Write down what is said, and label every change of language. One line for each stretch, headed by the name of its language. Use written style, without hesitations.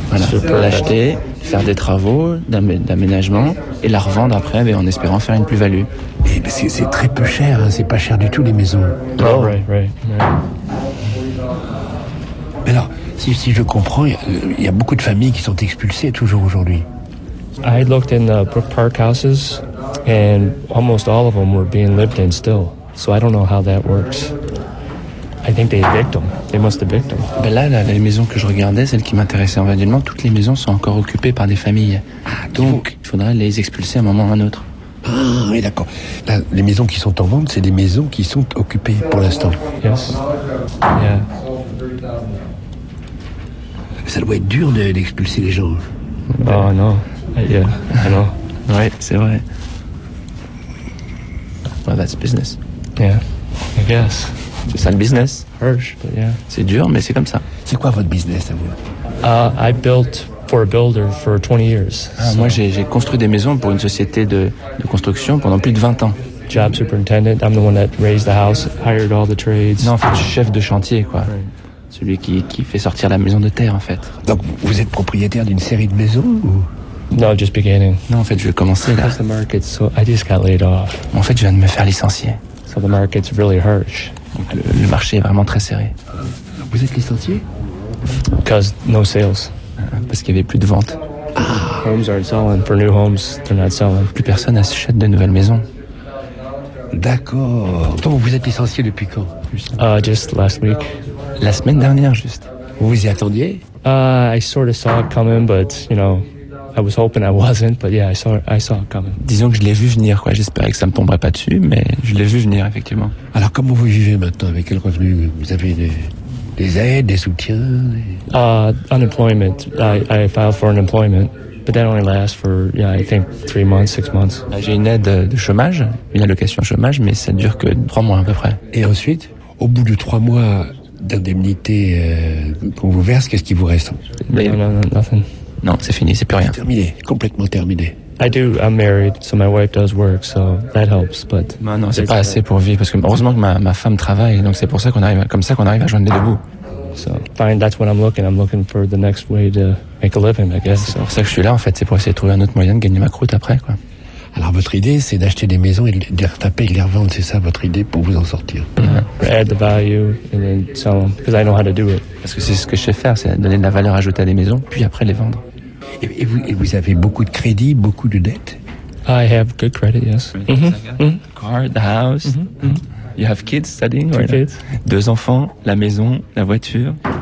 French: Voilà, pour l'acheter, faire des travaux d'aménagement et la revendre après, mais en espérant faire une plus-value. Et c'est très peu cher, hein. C'est pas cher du tout les maisons.
English: Oh, right.
French: Alors, si je comprends, il y a beaucoup de familles qui sont expulsées toujours aujourd'hui.
English: I looked in the Brook Park houses and almost all of them were being lived in still. So I don't know how that works. I think they evict them. They must evict them.
French: Ben là, les maisons que je regardais, celles qui m'intéressaient individuellement, toutes les maisons sont encore occupées par des familles. Donc, il faudra les expulser à un moment ou à un autre. Ah, oui, d'accord. Là, les maisons qui sont en vente, c'est des maisons qui sont occupées pour l'instant.
English: Yes. Yeah.
French: Ça doit être dur d'expulser les gens.
English: Oh, non. Yeah, I know.
French: Right, c'est vrai.
English: Well, that's business. Yeah, I guess.
French: C'est ça le business.
English: Harsh, but yeah.
French: C'est dur, mais c'est comme ça. C'est quoi votre business à vous?
English: I built for a builder for 20 years.
French: Moi, j'ai construit des maisons pour une société de construction pendant plus de 20 ans.
English: Job superintendent, I'm the one that raised the house, hired all the trades.
French: Non, en fait, je suis chef de chantier, quoi. Right. Celui qui fait sortir la maison de terre, en fait. Donc, vous êtes propriétaire d'une série de maisons ou?
English: No, just beginning.
French: Non, en fait, je vais commencer là.
English: How's the market? So I just got laid off.
French: En fait, je viens de me faire licencier.
English: So the market's really harsh.
French: Donc le marché est vraiment très serré. Vous êtes licencié?
English: Cause no sales.
French: Parce qu'il y avait plus de ventes.
English: Ah. Homes aren't selling. For new homes, they're not selling.
French: Plus personne n'achète de nouvelles maisons. D'accord. Donc vous êtes licencié depuis quand?
English: Just last week.
French: La semaine dernière, juste. Vous vous y attendiez?
English: I sort of saw it coming, but you know, I was hoping I wasn't. But yeah, I saw it coming.
French: Disons que je l'ai vu venir, quoi. J'espérais que ça me tomberait pas dessus, mais je l'ai vu venir effectivement. Alors comment vous vivez maintenant? Avec quel revenu? Vous avez des aides, des soutiens?
English: Unemployment. I filed for unemployment, but that only lasts for, yeah, I think 3 months, 6 months.
French: J'ai une aide de chômage, une allocation chômage, mais ça dure que 3 mois à peu près. Et ensuite, au bout de 3 mois d'indemnité qu'on vous verse, qu'est-ce qui vous reste?
English: No, nothing.
French: Non, c'est fini, c'est plus rien. Terminé, complètement terminé.
English: I do, I'm married, so my wife does work, so that helps, but...
French: Non, non, c'est pas assez pour vivre, parce que heureusement que ma femme travaille, donc c'est pour ça qu'on arrive, comme ça qu'on arrive à joindre les deux bouts.
English: So, fine, that's what I'm looking for the next way to make a living, I guess.
French: C'est pour ça que je suis là, en fait, c'est pour essayer de trouver un autre moyen de gagner ma croûte après, quoi. Alors votre idée, c'est d'acheter des maisons et de les retaper et de les revendre, c'est ça votre idée pour vous en sortir?
English: Add the value and then sell them, because I know how to do it.
French: Parce que c'est ce que je sais faire, c'est donner de la valeur ajoutée à des maisons, puis après les vendre. Et vous avez beaucoup de crédit, beaucoup de dettes?
English: I have good credit, yes. Mm-hmm. Mm-hmm. Car, the house. Mm-hmm. Mm-hmm. You have kids studying? Two kids.
French: Deux enfants, la maison, la voiture.